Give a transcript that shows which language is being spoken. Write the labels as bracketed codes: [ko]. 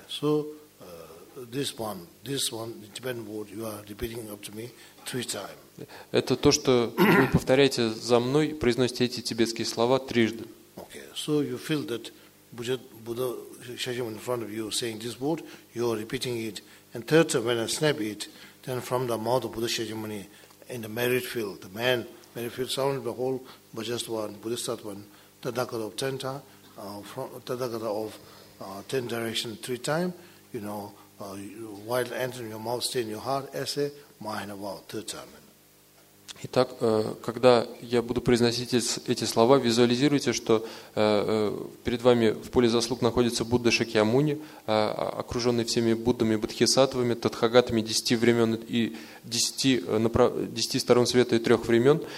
[en] So this one the Tibetan word you are repeating up to me 3 times. [ru] Это то, что вы повторяете за мной, произносите эти тибетские слова [en] 3 times. Okay. So you feel that Buddha Shakyamuni in front of you saying this word, you are repeating it. And third time when I snap it, then from the mouth of Buddha Shakyamuni in the merit field, the man merit field surrounded by the whole Bajastwan, Bodhisattvan, Tathagata of Tenta, from Tathagata of 10 directions 3 times, you know, while entering your mouth, stay in your heart, essay, mind about 3 times. [ru] Итак, когда я буду произносить эти слова, визуализируйте, что перед вами в поле заслуг находится Будда Шакьямуни, окруженный всеми Буддами, Бодхисаттвами, Татхагатами 10 времен и 10 сторон света и 3 времен.